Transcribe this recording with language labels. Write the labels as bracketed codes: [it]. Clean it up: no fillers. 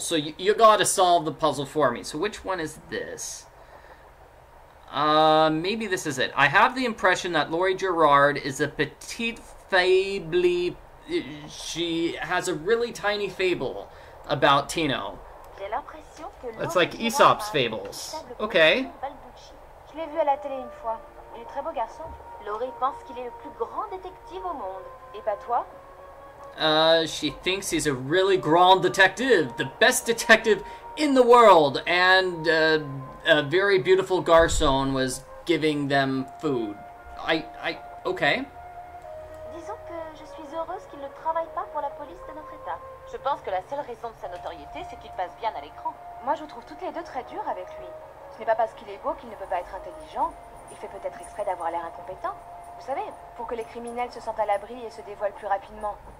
[en] So you gotta solve the puzzle for me. So which one is this? Maybe this is it. I have the impression that Lori Gerard is a petite fable. She has a really tiny fable about Tino. It's like Aesop's fables. Okay. [fr] Je l'ai vu à la télé une fois. Il est très beau garçon. Lori pense qu'il est le plus grand détective au monde. Et pas toi? [en] She thinks he's a really grand detective, the best detective in the world, and a very beautiful garçon was giving them food. Okay. [fr] Disons que je suis heureuse qu'il ne travaille pas pour la police de notre état. Je pense que la seule raison de sa notoriété, c'est qu'il passe bien à l'écran. Moi, je vous trouve toutes les deux très dures avec lui. Ce n'est pas parce qu'il est beau qu'il ne peut pas être intelligent. Il fait peut-être exprès d'avoir l'air incompétent. Vous savez, pour que les criminels se sentent à l'abri et se dévoilent plus rapidement.